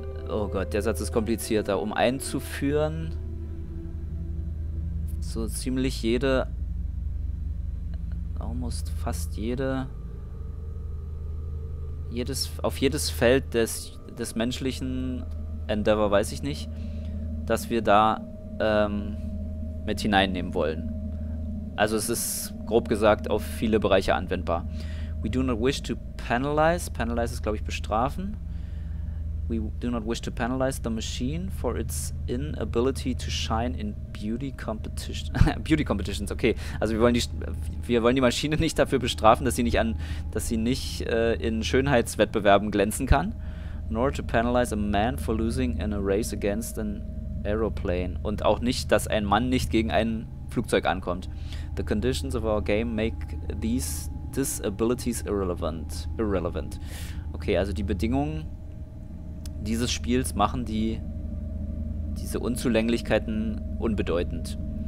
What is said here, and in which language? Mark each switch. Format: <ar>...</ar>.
<de>Oh Gott, der Satz ist komplizierter. Um einzuführen, so ziemlich jede, almost fast jede, jedes, auf jedes Feld des menschlichen Endeavor, weiß ich nicht, dass wir da mit hineinnehmen wollen. Also es ist, grob gesagt, auf viele Bereiche anwendbar.</de> <en>We do not wish to penalize.</en> <de>Penalize ist, glaube ich, bestrafen.</de> <en>We do not wish to penalize the machine for its inability to shine in beauty competition. Beauty competitions, okay.</en> <de>Also wir wollen die Maschine nicht dafür bestrafen, dass sie nicht in Schönheitswettbewerben glänzen kann.</de> <en>Nor to penalize a man for losing in a race against an aeroplane.</en> <de>Und auch nicht, dass ein Mann nicht gegen ein Flugzeug ankommt.</de> <en>The conditions of our game make these disabilities irrelevant.</en> <de>Okay, also die Bedingungen dieses Spiels machen diese Unzulänglichkeiten unbedeutend.</de>